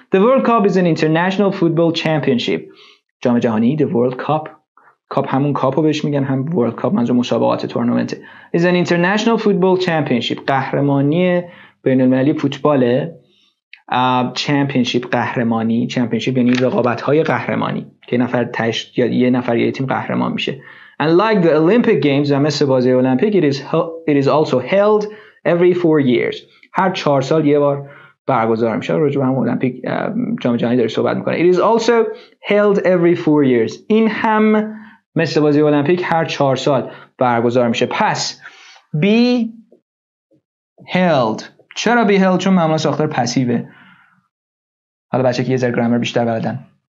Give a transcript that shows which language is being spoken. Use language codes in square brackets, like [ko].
[en] The World Cup is an international football championship. [fa] جام جهانی، [en] The World Cup. [fa] کاپ همون کاپو بهش میگن، هم World Cup منظور مسابقات تورنمنت. [en] Is an international football championship. [fa] قهرمانی بین‌المللی فوتباله. چمپینشیپ قهرمانی، چمپینشیپ یعنی رقابت‌های قهرمانی که نفر تش یا یه نفر یه تیم قهرمان میشه. [en] And like the Olympic Games، [fa] مثل بازی المپیک، [en] it is also held every 4 years. [fa] هر 4 سال یه بار برگزار میشه. راجع به المپیک جام جهانی داره صحبت میکنه. [en] It is also held every 4 years. [fa] این هم مثل بازی المپیک هر 4 سال برگزار میشه. [en] پس be held. [fa] چرا be held؟ چون معمولا ساختار پسیوه. حالا بچه که یه ذره گرامر بیشتر بلدن.